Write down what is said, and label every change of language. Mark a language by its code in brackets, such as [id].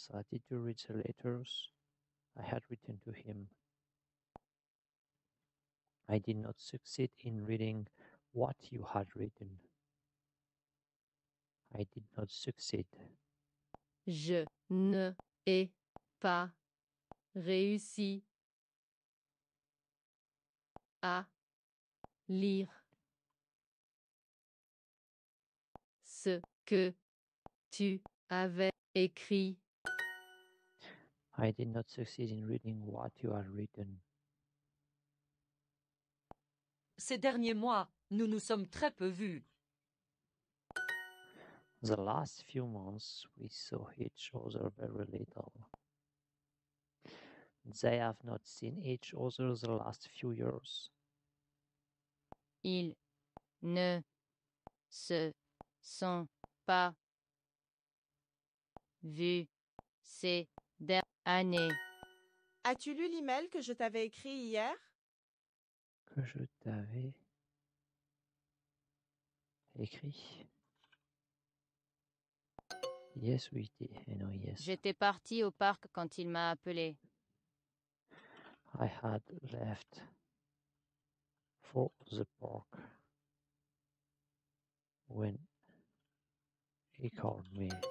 [en] Did you read the letters I had written to him? I did not succeed in reading what you had written. I did not succeed. [fr] Je ne ai pas réussi à lire ce que tu avais écrit. [en] I did not succeed in reading what you had written. [fr] Ces derniers mois, nous nous sommes très peu vus. [en] The last few months, we saw each other very little. They have not seen each other the last few years. [fr] Ils ne se sont pas vus ces dernières années. As-tu lu l'email que je t'avais écrit hier? Que je t'avais écrit? [en] Yes, we did. I know, yes. [fr] J'étais partie au parc quand il m'a appelé. [en] I had left for the park when he called me.